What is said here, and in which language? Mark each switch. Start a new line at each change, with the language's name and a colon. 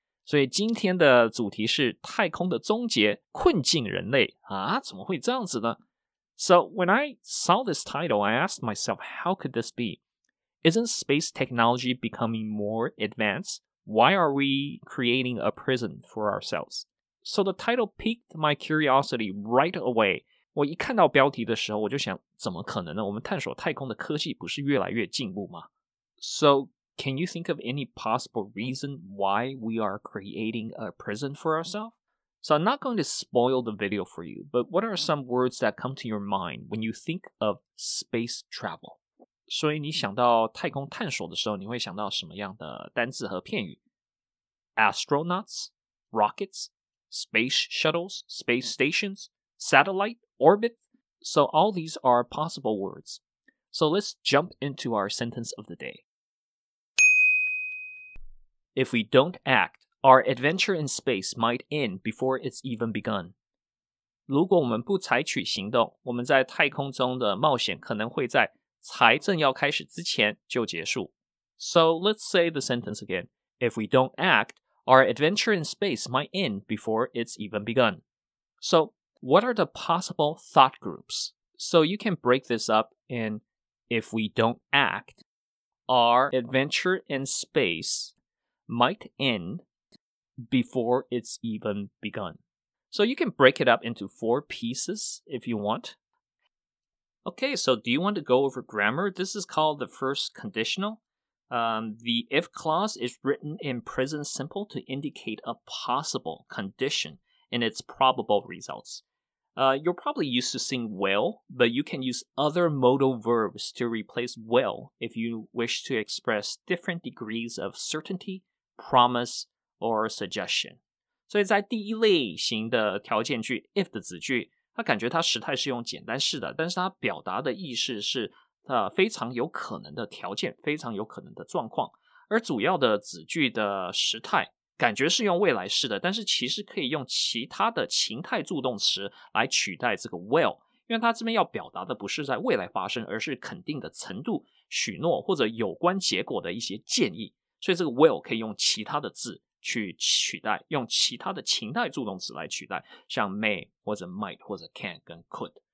Chinese: 所以今天的主题是太空的终结，困境人类。啊，怎么会这样子呢？
English: So when I saw this title, I asked myself, how could this be? Isn't space technology becoming more advanced? Why are we creating a prison for ourselves? So the title piqued my curiosity right away.
Chinese: 我一看到标题的时候，我就想，怎么可能呢？我们探索太空的科技不是越来越进步吗？
English: So can you think of any possible reason why we are creating a prison for ourselves? So I'm not going to spoil the video for you, but what are some words that come to your mind when you think of space travel?
Chinese: 所以你想到太空探索的时候，你会想到什么样的单字和片语？
English: Astronauts, rockets, space shuttles, space stations, satellite, orbit. So all these are possible words. So let's jump into our sentence of the day. If we don't act, our adventure in space might end before it's even begun.
Chinese: 如果我们不采取行动，我们在太空中的冒险可能会在才正要开始之前就结束。
English: So let's say the sentence again. If we don't act, our adventure in space might end before it's even begun. So what are the possible thought groups? So you can break this up in if we don't act, our adventure in space might end before it's even begun. So you can break it up into four pieces if you want. Okay, so do you want to go over grammar? This is called the first conditional. The if clause is written in present simple to indicate a possible condition and its probable results. You're probably used to seeing will, but you can use other modal verbs to replace will if you wish to express different degrees of certainty, promise, or suggestion.
Chinese: 所以在第一类型的条件句 if 的子句他感觉他时态是用简单式的，但是他表达的意思是非常有可能的条件，非常有可能的状况。而主要的子句的时态感觉是用未来式的，但是其实可以用其他的情态助动词来取代这个 will， 因为他这边要表达的不是在未来发生，而是肯定的程度、许诺或者有关结果的一些建议，所以这个 will 可以用其他的字去取代，用其他的情态助动词来取代，像 may 或者 might 或者 can 跟 could。